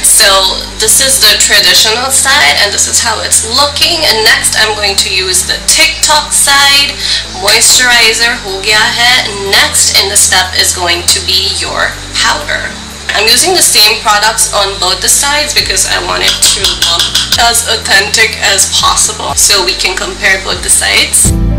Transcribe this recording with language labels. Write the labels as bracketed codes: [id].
[en] So this is the traditional side and this is how it's looking. And next I'm going to use the TikTok side. [hi] Moisturizer हो गया है. [en] Next in the step is going to be your powder. I'm using the same products on both the sides because I want it to look as authentic as possible. So we can compare both the sides.